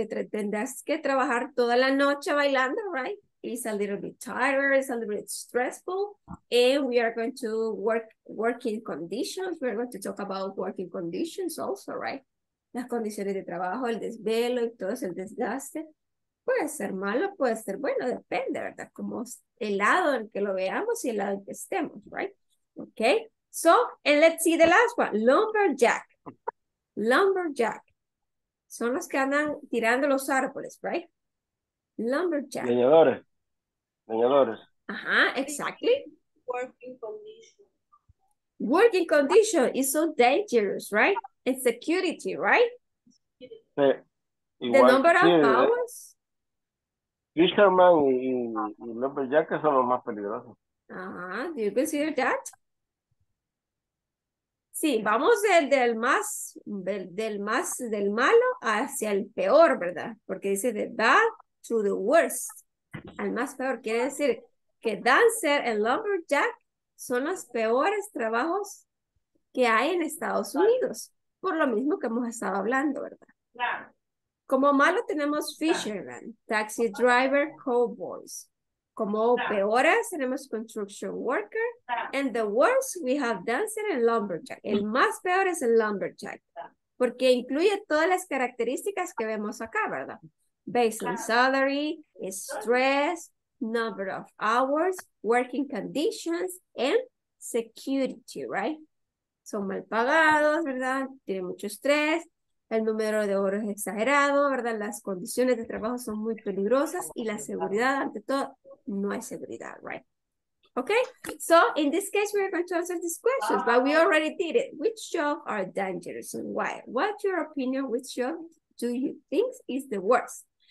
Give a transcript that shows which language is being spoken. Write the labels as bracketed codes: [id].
[es] Tendrás que trabajar toda la noche bailando, right? [en] It's a little bit tired, it's a little bit stressful, and we are going to working conditions. We're going to talk about working conditions also, right? [es] Las condiciones de trabajo, el desvelo y todo ese desgaste. Puede ser malo, puede ser bueno, depende, ¿verdad? Como el lado en el que lo veamos y el lado en que estemos, right? [en] Okay, so, and let's see the last one. Lumberjack. Lumberjack. [es] Son los que andan tirando los árboles, right? [en] Lumberjack. [es] Leñadores, leñadores. Ajá, exactly. [en] Working condition. Working condition is so dangerous, right? And security, right? The [es] Igual, [en] number [es] sí, [en] of hours. [es] Fisherman y Lumberjack son los más peligrosos. [en] Do you consider that? [es] Sí, vamos del malo hacia el peor, ¿verdad? Porque dice [en] the bad to the worst. [es] Al más peor quiere decir que Dancer y Lumberjack son los peores trabajos que hay en Estados Unidos, por lo mismo que hemos estado hablando, ¿verdad? Claro. Como malo tenemos Fisherman, Taxi Driver, Cowboys. Como peores tenemos Construction Worker. [en] And the worst we have Dancer and Lumberjack. [es] El más peor es el Lumberjack, porque incluye todas las características que vemos acá, ¿verdad? [en] Based on salary, stress, number of hours, working conditions, and security, right? [es] Son mal pagados, ¿verdad? Tienen mucho estrés, el número de horas es exagerado, ¿verdad? Las condiciones de trabajo son muy peligrosas y la seguridad, ante todo, no hay seguridad, right? [en] Okay, so in this case, we're going to answer these questions, but we already did it. Which jobs are dangerous and why? What's your opinion? Which job do you think is the worst?